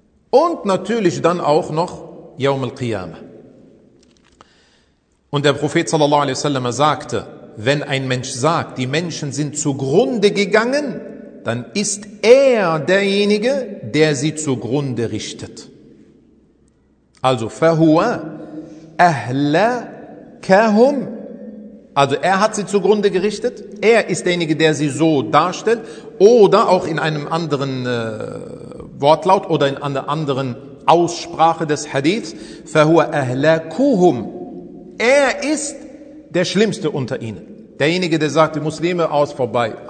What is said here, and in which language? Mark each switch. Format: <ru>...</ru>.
<de>Und natürlich dann auch noch Yawm al-Qiyamah. Und der Prophet sallallahu alaihi wasallam sagte, wenn ein Mensch sagt, die Menschen sind zugrunde gegangen, dann ist er derjenige, der sie zugrunde richtet.</de> <ar>Also, فَهُوَ أَهْلَكَهُمْ.</ar> <de>Also, er hat sie zugrunde gerichtet. Er ist derjenige, der sie so darstellt. Oder auch in einem anderen Wortlaut oder in einer anderen Aussprache des Hadiths,</de> <ar>فَهُوَ أَهْلَكُهُمْ.</ar> <de>Er ist der Schlimmste unter ihnen. Derjenige, der sagt, die Muslime aus, vorbei.</de>